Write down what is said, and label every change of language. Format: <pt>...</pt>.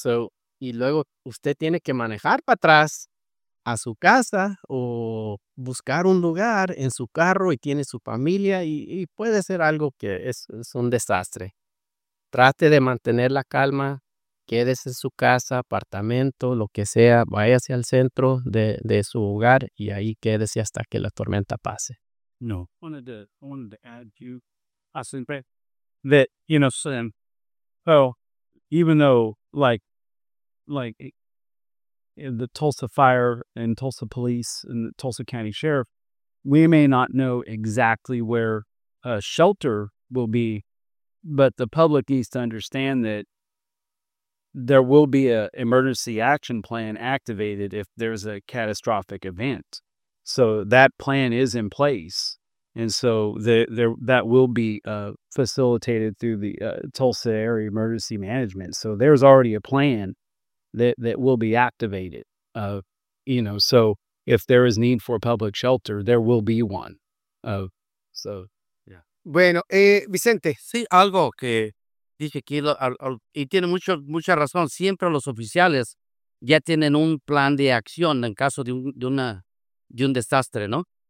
<es>So, y luego usted tiene que manejar para atrás a su casa o buscar un lugar en su carro y tiene su familia y puede ser algo que es un desastre. Trate de mantener la calma, quédese en su casa, apartamento, lo que sea, váyase al centro de su hogar y ahí quédese hasta que la tormenta pase. No.</es> <en>I wanted to add you, that, you know, Sam, even though, the Tulsa Fire and Tulsa Police and the Tulsa County Sheriff, we may not know exactly where a shelter will be, but the public needs to understand that there will be an emergency action plan activated if there's a catastrophic event. So that plan is in place. And so that will be facilitated through the Tulsa Area Emergency Management. So there's already a plan that will be activated, so if there is need for public shelter, there will be one.</en> <es>Bueno, Vicente. Sí, algo que dije aquí, y tiene mucha razón, siempre los oficiales ya tienen un plan de acción en caso de un desastre, ¿no?</es>